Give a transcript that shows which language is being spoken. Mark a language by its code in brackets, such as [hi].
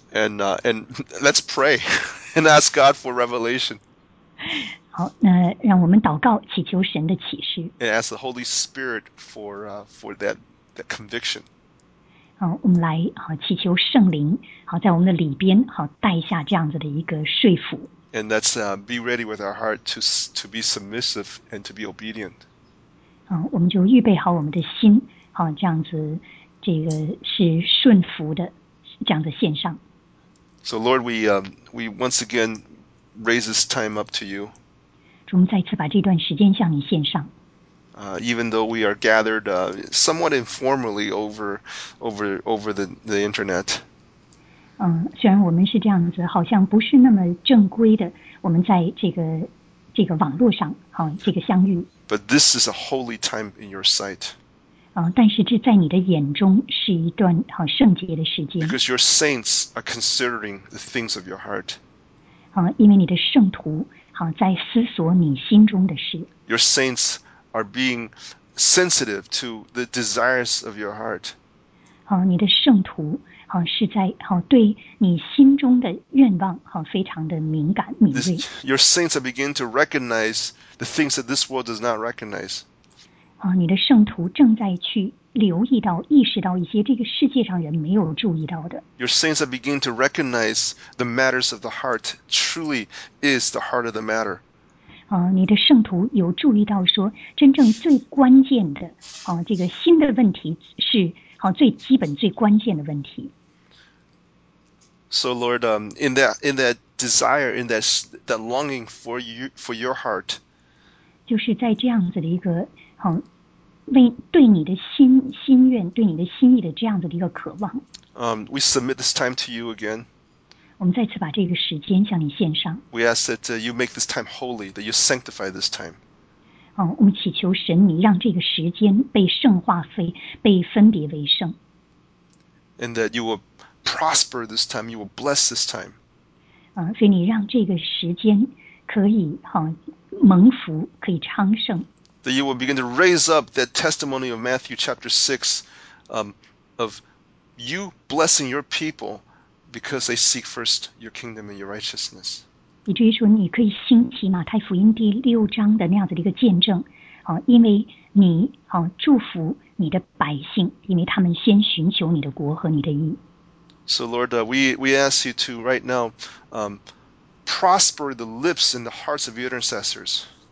[en] And let's pray and ask God for revelation. [zh] 好，那让我们祷告，祈求神的启示。 [en] And ask the Holy Spirit for that conviction. [zh] 好，我们来祈求圣灵，好在我们的里边带下这样子的一个说服。 [en] And that's be ready with our heart to be submissive and to be obedient. [zh] 我们就预备好我们的心，这样子，这个是顺服的，这样子献上。 [en] So Lord, we once again raise this time up to you. [zh] 我们再次把这段时间向你献上。 [en] Even though we are gathered somewhat informally over the internet. [zh] 虽然我们是这样子，好像不是那么正规的，我们在这个网络上，这个相遇。 [en] But this is a holy time in your sight. [zh] 但是这在你的眼中是一段圣洁的时间。 [en] Because your saints are considering the things of your heart. [zh] 因为你的圣徒在思索你心中的事。 [en] Your saints are being sensitive to the desires of your heart. [zh] 你的圣徒。是在对你心中的愿望非常的敏感敏锐。 [en] Your saints are beginning to recognize the things that this world does not recognize. [zh] 你的圣徒正在去留意到意识到一些这个世界上人没有注意到的。 [en] Your saints are beginning to recognize the matters of the heart truly is the heart of the matter. [zh] 你的圣徒有注意到说真正最关键的这个心的问题是最基本最关键的问题。 [en] So Lord, in that desire, in that longing for your heart, [zh] 就是在这样子的一个为对你的心愿对你的心意的这样子的一个渴望。 [en] We submit this time to you again. [zh] 我们再次把这个时间向你献上。 [en] We ask that you make this time holy, that you sanctify this time. [zh] 我们祈求神，你让这个时间被圣化非，被分别为圣。 [en] And that you will prosper this time, you will bless this time. [zh] 所以你让这个时间可以蒙福，可以昌盛。 [en] That you will begin to raise up that testimony of Matthew chapter 6, of you blessing your people because they seek first your kingdom and your righteousness. [zh] 以至于说，你可以兴起马太福音第六章的那样子的一个见证，因为你祝福你的百姓，因为他们先寻求你的国和你的义。 [en] So Lord, we ask you to right now, prosper the lips and the hearts of your intercessors.